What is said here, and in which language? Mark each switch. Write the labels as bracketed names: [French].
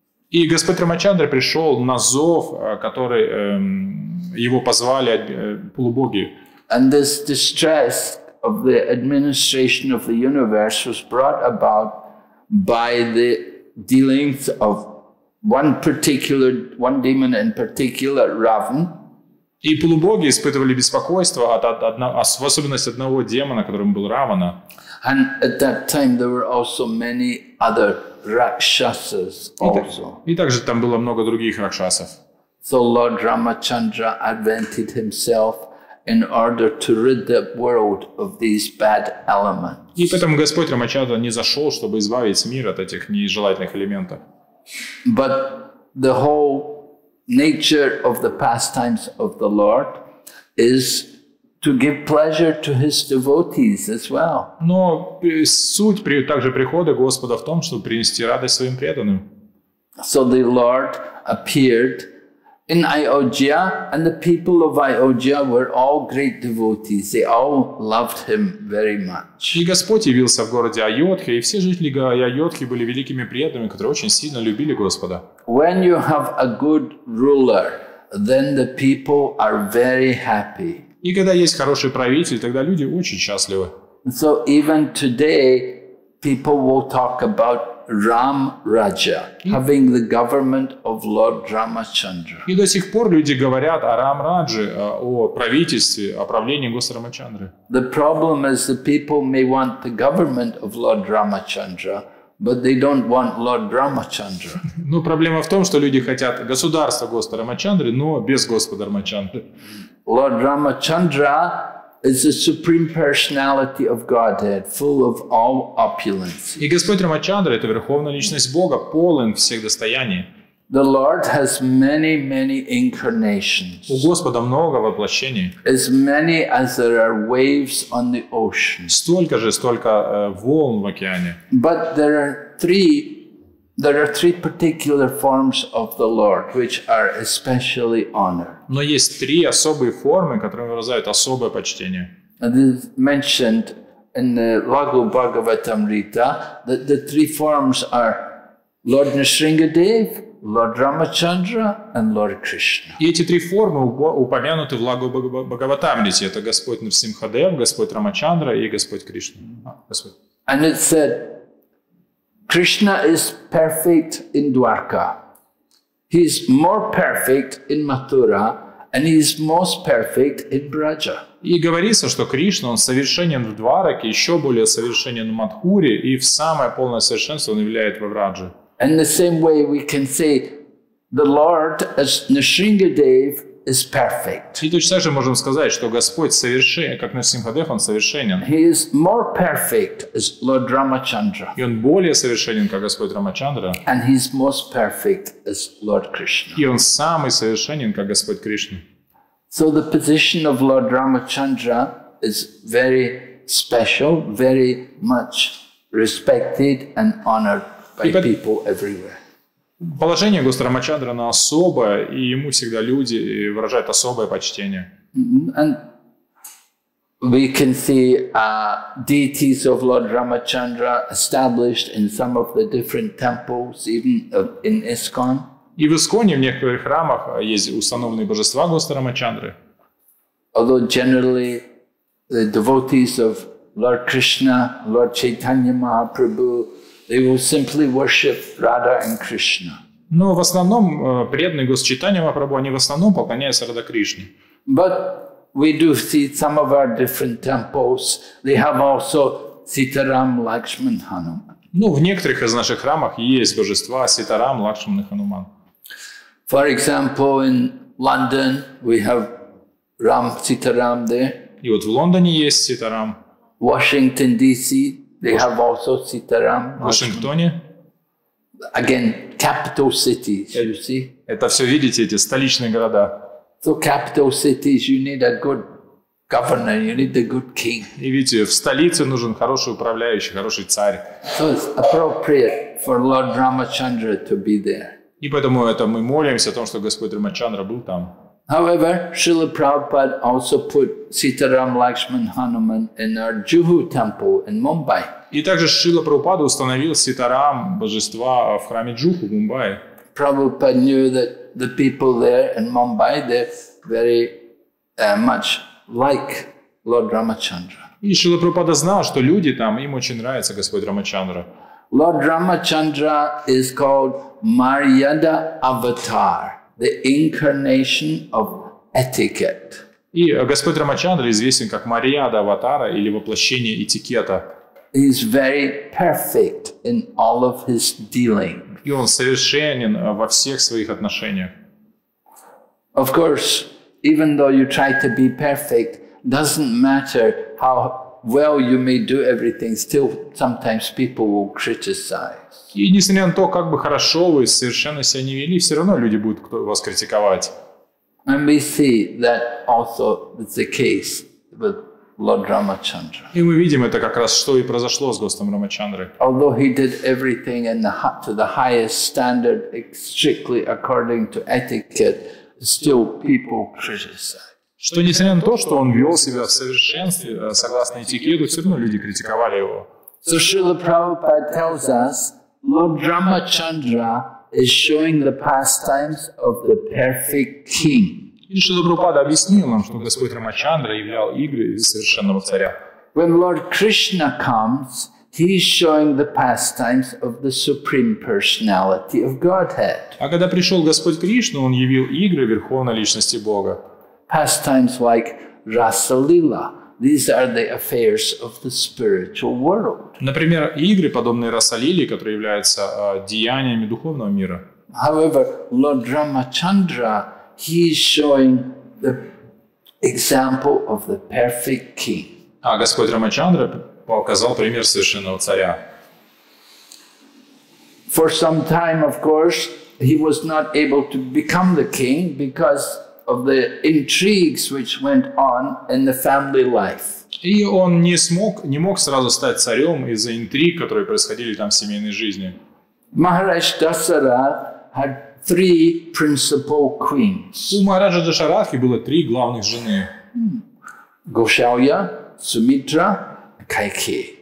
[Russian] И Господь Рамачандра пришел на зов, который его позвали полубоги. [English] And this distress of the administration of the universe was brought about by the dealings of one demon in particular, Ravan. [Russian] И полубоги испытывали беспокойство в особенности одного демона, которым был Равана. [English] And at that time there were also many other rakshasas also. [Russian] И также там было много других ракшасов. [English] So Lord Ramachandra advented himself in order to rid the world of these bad elements. [Russian] И поэтому Господь Рамачандра не зашел, чтобы избавить мир от этих нежелательных элементов. [English] But the whole nature of the pastimes of the Lord is to give pleasure to his devotees as well. [Russian] Но суть также прихода Господа в том, чтобы принести радость своим преданным. [English] So the Lord appeared in Ayodhya, and the people of Ayodhya were all great devotees. They all loved him very much. [Russian] И Господь явился в городе Айодхе, и все жители Айодхи были великими преданными, которые очень сильно любили Господа. [English] When you have a good ruler, then the people are very happy. [Russian] И когда есть хороший правитель, тогда люди очень счастливы. [English] So even today, people will talk about Ram Raja, having the government of Lord Ramachandra. [Russian] И до сих пор люди говорят о Рам Радже, о правительстве, о правлении Господа Рамачандры. [English] The problem is the people may want the government of Lord Ramachandra, but they don't want Lord Ramachandra. [Russian] Ну, проблема в том, что люди хотят государства Господа Рамачандры, но без Господа Рамачандры. [English] Lord Ramachandra is the supreme personality of Godhead, full of all opulence. [Russian] И Господь Рамачандра — это верховная личность Бога, полон всех достояний. [English] The Lord has many, many incarnations. [Russian] У Господа много воплощений. [English] As many as there are waves on the ocean. [Russian] Столько же, столько волн в океане. [English] But there are three particular forms of the Lord which are especially honored. [Russian] Но есть три особые формы, которые выражают особое почтение. [English] It is mentioned in the Lagu Bhagavatamrita that the three forms are Lord Nrsimhadev, Lord Ramachandra and Lord Krishna. [Russian] И эти три формы упомянуты в Лагу Бхагаватамрите. Это Господь Нрсимхадев, Господь Рамачандра и Господь Кришна. [English] And it said, Krishna is perfect in Dwarka. He is more perfect in Mathura, and he is most perfect in Braja. [Russian] И говорится, что Кришна, он совершенен в Двараке, еще более совершенен в Мадхуре, и в самое полное совершенство он являет во Врадже. [English] And the same way we can say, the Lord as Nrsimhadev is perfect. [Russian] И точно так же можем сказать, что Господь совершен, как Нрсимхадев, Он совершенен. [English] He is more perfect as Lord Ramachandra. [Russian] И Он более совершенен, как Господь Рамачандра. [English] And He is most perfect as Lord Krishna. [Russian] И Он самый совершенен, как Господь Кришна. [English] So the position of Lord Ramachandra is very special, very much respected and honored by people everywhere. [Russian] Положение Господа Рамачандры оно особое, и ему всегда люди выражают особое почтение. [English] And we can see deities of Lord Ramachandra established in some of the different temples, even in ISKCON. [Russian] И в ИСКОНе в некоторых храмах есть установленные божества Господа Рамачандры. [English] Although generally the devotees of Lord Krishna, Lord Chaitanya Mahaprabhu, they will simply worship Radha and Krishna. [Russian] Но в основном преданные Господа Чайтанья Махапрабху, они в основном поклоняются Радха Кришне. [English] But we do see some of our different temples, they have also Sitaram, Lakshman, Hanuman. [Russian] Ну, в некоторых из наших храмов есть божества Ситарам, Лакшман и Хануман. [English] For example, in London we have Ram Sitaram there. [Russian] И вот в Лондоне есть Ситарам. [English] Washington DC they have also Sitaram. [Russian] В Вашингтоне. [English] Again, capital cities, you see. [Russian] Это все видите, эти столичные города. [English] So capital cities, you need a good governor, you need a good king. [Russian] И видите, в столице нужен хороший управляющий, хороший царь. [English] So it's appropriate for Lord Ramachandra to be there. [Russian] И поэтому это мы молимся о том, что Господь Рамачандра был там. [English] However, Srila Prabhupada also put Sitaram Lakshman Hanuman in our Juhu temple in Mumbai. [Russian] И также Шрила Прабхупада установил Ситарам, божества, в храме Джуху в Мумбаи. [English] Prabhupada knew that the people there in Mumbai, they very much like Lord Ramachandra. [Russian] И Шрила Прабхупада знал, что люди там, им очень нравится Господь Рамачандра. [English] Lord Ramachandra is called Maryada Avatar, the incarnation of etiquette. [Russian] И Господь Рамачандра известен как Мариада Аватара или воплощение этикета. [English] He is very perfect in all of his dealings. [Russian] И он совершенен во всех своих отношениях. [English] Of course, even though you try to be perfect, doesn't matter how well you may do everything, still sometimes people will criticize. [Russian] И несмотря на то, как бы хорошо вы совершенно себя не вели, все равно люди будут вас критиковать. [English] And we see that also is the case with Lord Ramachandra. [Russian] И мы видим это как раз, что и произошло с Господом Рамачандрой. [English] Although he did everything in to the highest standard, strictly according to etiquette, still people criticize. [Russian] Что несмотря на то, что он вел себя в совершенстве, согласно этикету, все равно люди критиковали его. [English] So Srila Prabhupada tells us, Lord Ramachandra is showing the pastimes of the perfect king. [Russian] И Шрила Прабхупада объяснил нам, что Господь Рамачандра являл игры совершенного царя. [English] When Lord Krishna comes, he is showing the pastimes of the Supreme Personality of Godhead. [Russian] А когда пришел Господь Кришна, он явил игры Верховной Личности Бога. [English] Pastimes like Rasalila. These are the affairs of the spiritual world. [Russian] Например, игры, подобные Расалиле, которые являются деяниями духовного мира. [English] However, Lord Ramachandra, he is showing the example of the perfect king. [Russian] А Господь Рамачандра показал пример совершенного царя. [English] For some time, of course, he was not able to become the king because of the intrigues which went on in the family life. [Russian] И он не мог сразу стать царем из-за интриг, которые происходили там в семейной жизни. [English] Maharaj Dasarath had three principal queens. [Russian] У Махараджа Дашарадхи было три главных жены. Гошалья, Сумитра, Кайкея.